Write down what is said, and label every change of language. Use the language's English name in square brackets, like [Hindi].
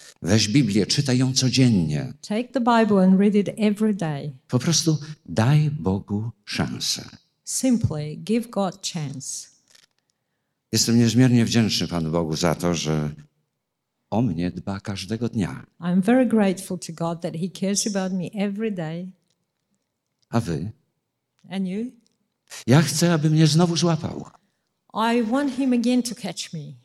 [Polish] Weź Biblię, czytaj ją codziennie. [English] Take the Bible and read it every day. [Polish] Po prostu daj Bogu szansę. [English] Simply give God chance. [Polish] Jestem niezmiernie wdzięczny Panu Bogu za to, że o mnie dba każdego dnia. [English] I'm very grateful to God that he cares about me every day. [Polish] A wy? [English] And you? [Polish] Ja chcę, aby mnie znowu złapał. [English] I want him again to catch me.